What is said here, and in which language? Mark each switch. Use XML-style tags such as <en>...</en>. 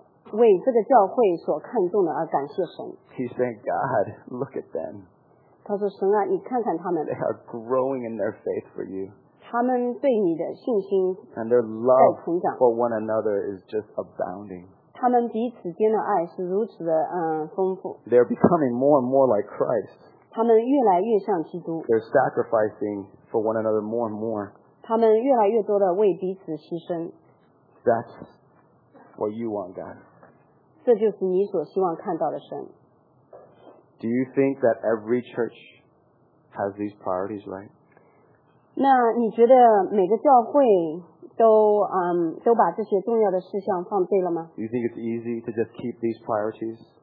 <zh>那你们也看到，就是保罗，就是为这个教会所看重的而感谢神。</zh> <en>He said, God, look at them.</en> <zh>他说，神啊，你看看他们。</zh> <en>They are growing in their faith for you.</en> <zh>他们对你的信心。</zh> <en>And their love for one another is just abounding.</en> <zh>他们彼此间的爱是如此的丰富。</zh> <en>They're becoming more and more like Christ.</en> <zh>他们越来越像基督。</zh> <en>They're sacrificing for one another more and more.</en> <zh>他们越来越多的为彼此牺牲。</zh> <en>That's what you want, God.</en> <zh>这就是你所希望看到的神。</zh> <en>Do you think that every church has these priorities right?</en> <zh>那你觉得每个教会都把这些重要的事项放对了吗?</zh> <en>Do you think it's easy to just keep these priorities?</en>